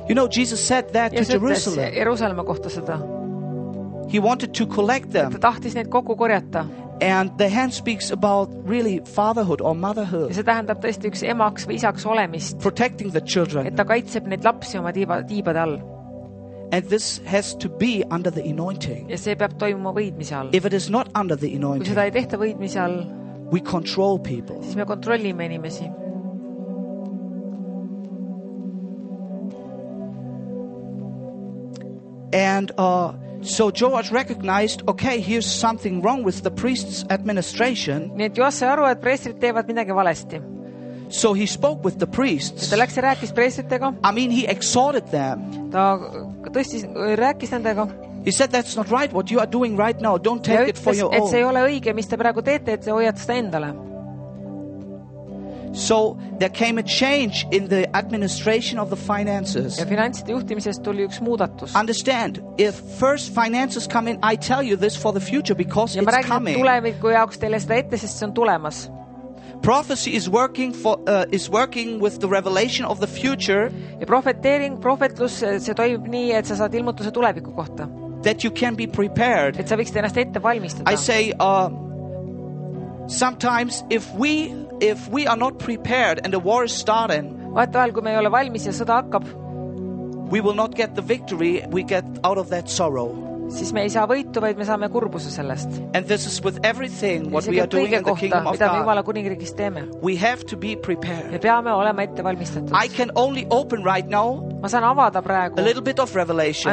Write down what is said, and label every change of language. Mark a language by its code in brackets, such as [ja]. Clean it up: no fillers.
[en] You know, Jesus said that to Jerusalem. [et] Jerusalema kohta seda. [en] He wanted to collect them. [et] Ta tahtis neid kokku korjata. [en] And the hand speaks about really fatherhood or motherhood. [et] See tähendab tõesti üks emaks või isaks olemist. [en] Protecting the children. [et] Et ta kaitseb neid lapsi oma tiibade all. [en] And this has to be under the anointing. [et] Ja see peab toimuma võidmise all. [en] If it is not under the anointing. [et] Kui seda ei tehta võidmise all. [en] We control people. [et] Siis me kontrollime inimesi. [en] And so George recognized, okay, here's something wrong with the priest's administration. [et] Nii et Joas sai aru, et preestrid teevad midagi valesti. [en] So he spoke with the priests. [et] Ta läks ja rääkis preestritega. [en] I mean, he exhorted them. [et] Ta tõesti rääkis nendega. [en] He said, that's not right what you are doing right now. Don't take it for your own. [et] Et see ei ole õige, mis te praegu teete, et see hoiad seda endale. [en] So there came a change in the administration of the finances. [et] Ja finantside juhtimisest tuli üks muudatus. [en] Understand, if first finances come in, I tell you this for the future because [et] ja [en] it's coming. [et] Ja ma räägin tuleviku jaoks teile seda ette, sest see on tulemas. [en] Prophecy is working for is working with the revelation of the future. [et] Ja profeteering, prohvetlus, see toimib nii, et sa saad ilmutuse tuleviku kohta. [en] That you can be prepared. [et] Et sa võiksid ennast ette valmistada. [en] I say sometimes if we are not prepared and a war is starting, [et] vaatavad, kui me ei ole valmis ja sõda hakkab, [en] we will not get the victory, we get out of that sorrow. [et] Siis me ei saa võitu, vaid me saame kurbuse sellest. [en] And this is with everything what we are doing in the kingdom of God. [et] Mida me Jumala kuningriigis teeme. [en] We have to be prepared. [et] Me peame olema ette valmistatud. [en] I can only open right now. [et] Ma saan avada praegu. [en] A little bit of revelation.